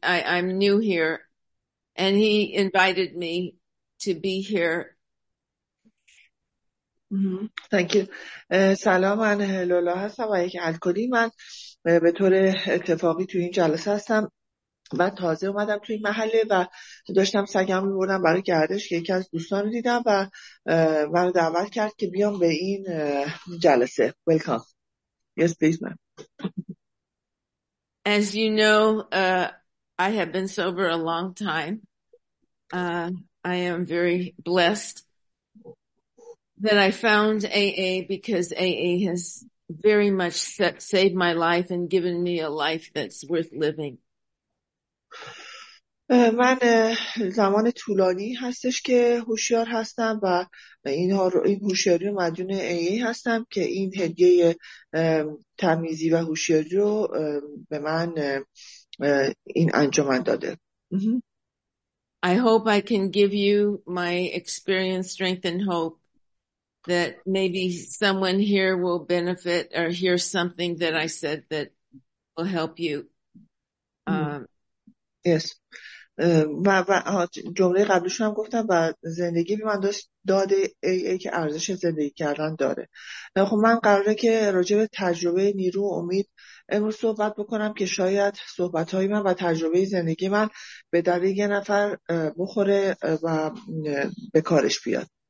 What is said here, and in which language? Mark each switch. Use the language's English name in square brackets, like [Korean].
[English] I'm new here, and he invited me to be here. Thank you. [Persian] سلام، من لولا هستم و یک الکلی. من به طور اتفاقی تو این جلسه هستم و تازه اومدم تو این محله و داشتم سگم رو بردم برای گردش که یکی از دوستان رو دیدم و من رو دعوت کرد که بیام به این جلسه. [English] Welcome. Yes, please, ma'am. As you know, I have been sober a long time. I am very blessed that I found AA because AA has very much saved my life and given me a life that's worth living. [Persian] من زمان طولانی هستش که هوشیار هستم و این هوشیاری رو مدیون AA هستم که این هدیه تمیزی و هوشیاری رو به من این انجمن داده. [English] I hope I can give you my experience, strength and hope that maybe someone here will benefit or hear something that I said that will help you. Yes. [Persian] و جمله قبلیشون هم گفتم و زندگی به من داده ای که ارزش زندگی کردن داره. خب من قراره که راجع به تجربه نیرو و امید امروز صحبت بکنم که شاید صحبت‌های من و تجربه زندگی من به دلیل یه نفر بخوره و به کارش بیاد.